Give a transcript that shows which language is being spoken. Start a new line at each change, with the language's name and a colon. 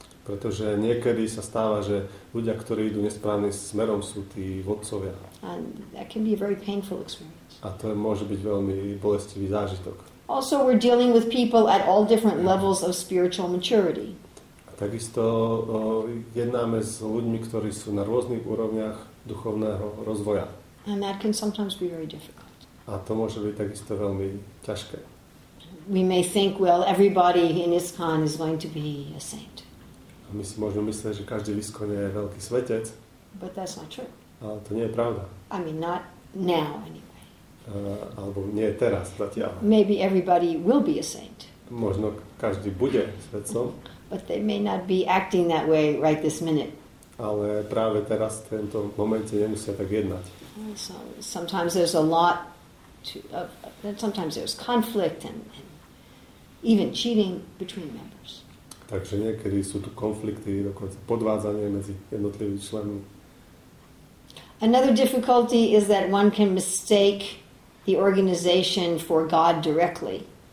Slovak: Pretože niekedy sa stáva, že ľudia, ktorí idú nesprávnym smerom, sú tí vodcovia.
English: And that can be a very painful experience.
Slovak: A to môže byť veľmi bolestivý zážitok.
English: Also, we're dealing with people at all different levels of spiritual maturity.
Slovak: A takisto jednáme s ľuďmi, ktorí sú na rôznych úrovniach duchovného rozvoja.
English: And that can sometimes be very difficult.
Slovak: A to môže byť takisto veľmi ťažké.
English: We may think, well, everybody in ISKCON is going to be a saint.
Slovak: A my si môžeme myslieť, že každý Iskon je veľký svetec.
English: But that's not true.
Slovak: Ale to nie je pravda.
English: I mean, not now anyway.
Slovak: Alebo nie je teraz, zatiaľ.
English: Maybe everybody will be a saint.
Slovak: Možno každý bude svetcom.
English: But they may not be acting that way right this minute.
Slovak: Ale práve teraz, v tento momente, nemusia tak jednať.
English: So, sometimes there's a lot to, sometimes there's conflict and even cheating between members.
Slovak: Takže niekedy sú tu konflikty, dokonca podvádzanie medzi jednotlivými členmi.
English: Another difficulty is that one can mistake the organization for God directly.